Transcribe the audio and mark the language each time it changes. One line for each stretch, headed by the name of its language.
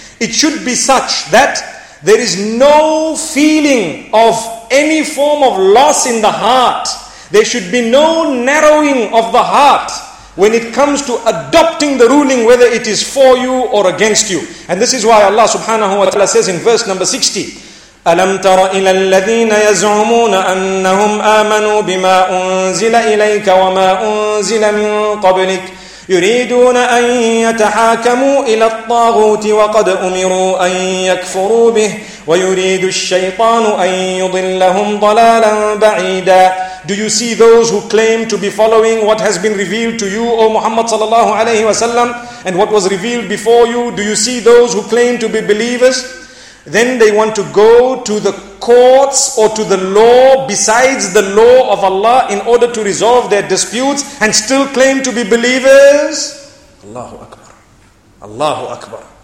English: It should be such that there is no feeling of any form of loss in the heart. There should be no narrowing of the heart when it comes to adopting the ruling, whether it is for you or against you. And this is why Allah subhanahu wa ta'ala says in verse number 60,
Arabic: أَلَمْ تَرَ إِلَى الَّذِينَ يَزْعُمُونَ أَنَّهُمْ آمَنُوا بِمَا أُنزِلَ إِلَيْكَ وَمَا أُنزِلَ مِن قَبْلِكَ يريدون أن يتحاكموا إلى الطاغوت وقد أمروا أن يكفروا به ويريد الشيطان أن يضلهم ضلالا بعيدا
English: Do you see those who claim to be following what has been revealed to you, O Muhammad sallallahu alayhi wa sallam, and what was revealed before you? Do you see those who claim to be believers? Then they want to go to the courts or to the law besides the law of Allah in order to resolve their disputes and still claim to be believers. Allahu Akbar. Allahu Akbar.